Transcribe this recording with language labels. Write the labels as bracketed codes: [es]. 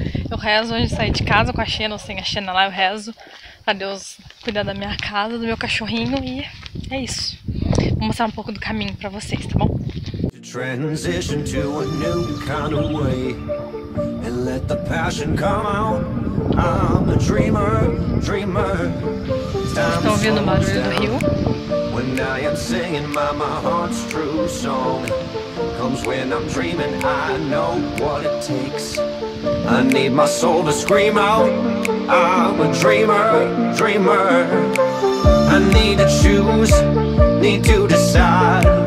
[pt] Eu rezo antes de sair de casa com a Xena ou sem a Xena lá. Eu rezo pra Deus cuidar da minha casa, do meu cachorrinho. E é isso. Vou mostrar um pouco do caminho pra vocês, tá bom? [en] Transition to a new kind of way. And let the passion come out. I'm a dreamer, dreamer. [pt] Estão ouvindo o barulho do rio? [en] When I am singing my, my heart's true song. Comes when I'm dreaming, I know what it takes. I need my soul to scream out. I'm a dreamer, dreamer. I need to choose. Need to decide.